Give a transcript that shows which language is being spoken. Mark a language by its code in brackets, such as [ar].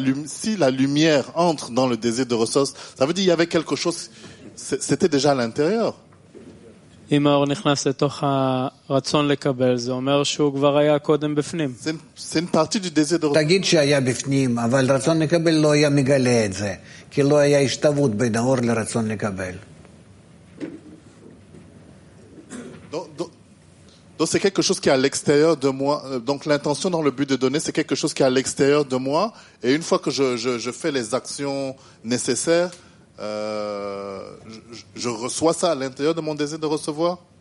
[fr] Si la lumière entre dans le désir de ressource, ça veut dire qu'il y avait quelque chose... C'était déjà à l'intérieur. [he] אם האור נכנס לתוך הרצון לקבל, זה אומר שהוא כבר היה קודם בפנים. [fr] C'est une partie du désir de... [he] תגיד שהיה בפנים, אבל רצון לקבל לא היה מגלה את זה, כי לא היה השתוות בין האור לרצון לקבל. [fr] Donc c'est quelque chose qui est à l'extérieur de moi. Donc l'intention dans le but de donner, c'est quelque chose qui est à l'extérieur de moi. Et une fois que je fais les actions nécessaires, je reçois ça à l'intérieur de mon désir de recevoir.